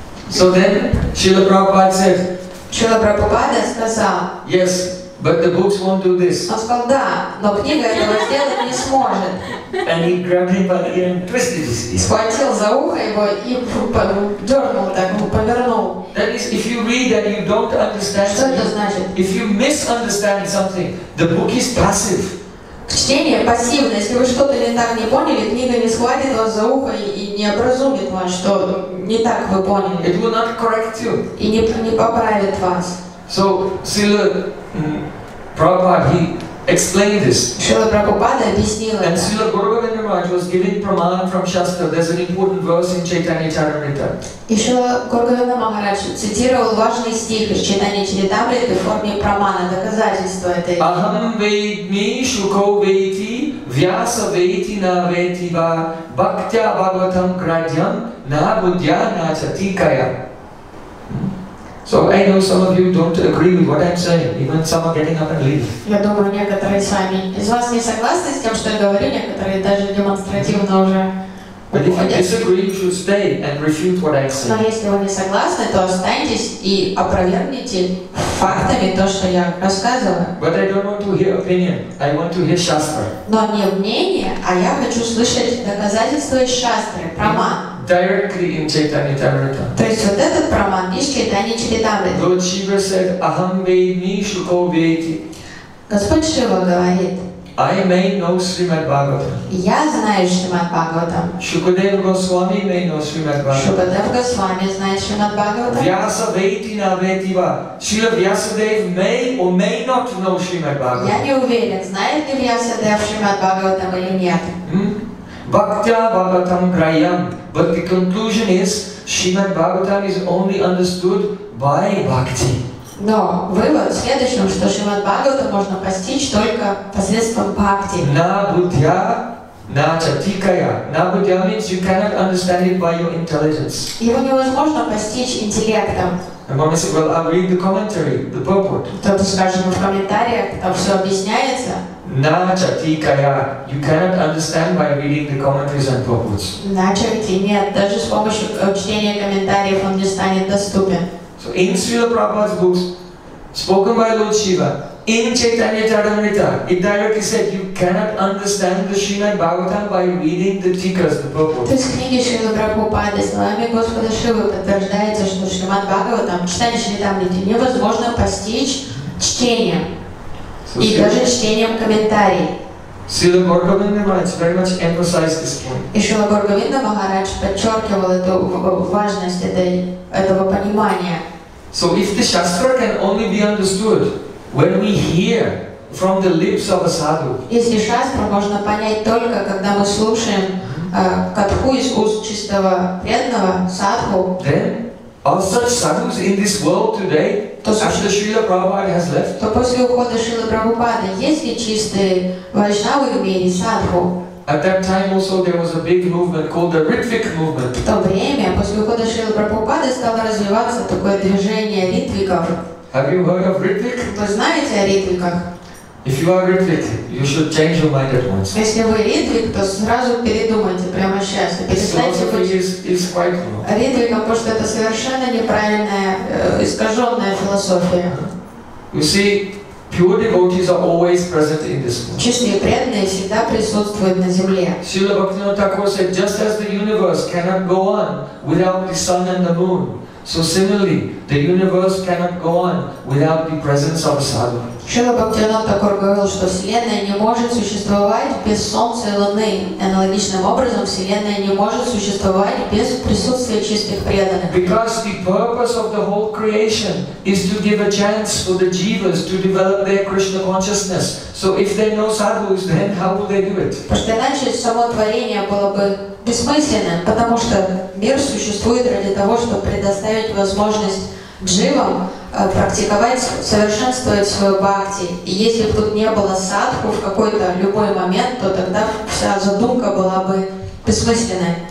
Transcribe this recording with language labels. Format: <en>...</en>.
<en>So then, Srila Prabhupada said.</en> <ru>Srila Prabhupada сказал.</ru> <en>Yes, but the books won't do this.</en> <ru>Он сказал, да, но книга этого сделать не сможет.</ru> <en>And he grabbed him by the ear and twisted his ear.</en> <ru>Схватил за ухо его и дернул так, повернул.</ru> <en>That is, if you read and you don't understand something, if you misunderstand something, the book is passive.</en> <ru>Чтение пассивное. Если вы что-то не так не поняли, книга не схватит вас за ухо и не образумит вас, что не так вы поняли.</ru> <en>It will not correct you.</en> <ru>И не поправит вас.</ru> <en>So, Srila Prabhupada, he explained this.</en> <ru>Srila Prabhupada объяснил это.</ru> <en>And Srila Govinda Maharaj was giving praman from shastra. There's an important verse in Chaitanya Charitamrita.</en> <ru>И Шрила Прабхупада Махарадж цитировал важный стих из Читания Чаритамриты в форме прамана, доказательство этой.</ru> <sa>Ахам вейдми шуко вейти вьяса вейти на вейти ва бхактя бхагаватам крадьям на буддья на чатикая.</sa> <en>So I know some of you don't agree with what I'm saying. Even some are getting up and leave.</en> <ru>Я думаю, некоторые сами из вас не согласны с тем, что я говорю, некоторые даже демонстративно уже.</ru> <en>But if you disagree, you should stay and refute what I say.</en> <ru>Но если вы не согласны, то останьтесь и опровергните фактами то, что я рассказываю.</ru> <en>But I don't want to hear opinion. I want to hear shastra.</en> <ru>Но не мнение, а я хочу слышать доказательства из шастры, праман.</ru> <en>Directly in Chaitanya Charitamrita.</en> <ru>То есть вот этот праман из Чайтанья Чаритамриты.</ru> <en>Lord Shiva said,</en> <sa>Aham vedmi shuko vedi.</sa> <ru>Господь Шива говорит.</ru> <en>I may know Srimad Bhagavatam.</en> <ru>Я знаю Srimad Bhagavatam.</ru> <en>Shukadeva Goswami may know Srimad Bhagavatam.</en> <ru>Shukadeva Goswami знает Srimad Bhagavatam.</ru> <sa>Vyasa Veti na Vetiva.</sa> <en>Srila Vyasadev may or may not know Srimad Bhagavatam.</en> <ru>Я не уверен, знает ли Vyasadev Srimad Bhagavatam или нет.</ru> <sa>Bhaktya Bhagavatam Krayam.</sa> <en>But the conclusion is Srimad Bhagavatam is only understood by bhakti.</en> <ru>Но вывод в следующем, что Шримад Бхагавата можно постичь только посредством бхакти.</ru> <sa>На буддья Начатикая, набудья</sa> <en>means you cannot understand it by your intelligence.</en> <ru>Его невозможно постичь интеллектом.</ru> <en>And mommy said, well, I'll read the commentary, the purport.</en> <ru>Кто-то скажет, ну, в комментариях там все объясняется.</ru> <en>Начатикая, you cannot understand by reading the commentaries and purports.</en> <ru>Начатикая, нет, даже с помощью чтения комментариев он не станет доступен.</ru> <en>So in Srila Prabhupada's books, spoken by Lord Shiva, in Chaitanya Charitamrita, it directly said you cannot understand the Srimad Bhagavatam by reading the tikkas, the purport.</en> <ru>То есть книги Шрилы Прабхупады словами Господа Шивы подтверждается, что Шримад Бхагаватам, читание Чайтамриты, невозможно постичь чтением и даже чтением комментарий.</ru> <en>Srila Gauravinda Maharaj very much emphasized this point.</en> <ru>И Шрила Гауравинда Махарадж подчеркивал эту важность этого понимания.</ru> <en>So if the Shastra can only be understood when we hear from the lips of a sadhu.</en> <ru>Если шастру можно понять только когда мы слушаем катху из уст чистого преданного садху.</ru> <en>Then, all such sadhus in this world today, after Srila Prabhupada has left.</en> <ru>То после ухода Шрилы Прабхупады есть ли чистые вайшнавы в мире садху?</ru> <en>At that time also there was a big movement called the Ritvik movement.</en> <ru>В то время после ухода Шрилы Прабхупады стало развиваться такое движение ритвиков.</ru> <en>Have you heard of Ritvik?</en> <ru>Вы знаете о ритвиках?</ru> <en>If you are Ritvik, you should change your mind at once.</en> <ru>Если вы ритвик, то сразу передумайте, прямо сейчас. Перестаньте быть.</ru> <en>It's quite wrong.</en> <ru>Ритвик, потому что это совершенно неправильная, искаженная философия.</ru> <en>You see, pure devotees are always present in this world.</en> <ru>Чистые преданные всегда присутствуют на земле.</ru> <en>Srila Bhaktivinoda Thakur said, just as the universe cannot go on without the sun and the moon. So similarly, the universe cannot go on without the presence of a sadhu.</en> <ru>Шрила Бхактивинода Такур говорил, что Вселенная не может существовать без Солнца и Луны. Аналогичным образом, Вселенная не может существовать без присутствия чистых преданных.</ru> <en>Because the purpose of the whole creation is to give a chance for the jivas to develop their Krishna consciousness. So if there are no sadhus, then how will they do it?</en> <ru>Потому что иначе само творение было бы бессмысленно, потому что мир существует ради того, чтобы предоставить возможность дживам практиковать, совершенствовать свою бхакти. И если бы тут не было садху в какой-то любой момент, то тогда вся задумка была бы бессмысленной.</ru>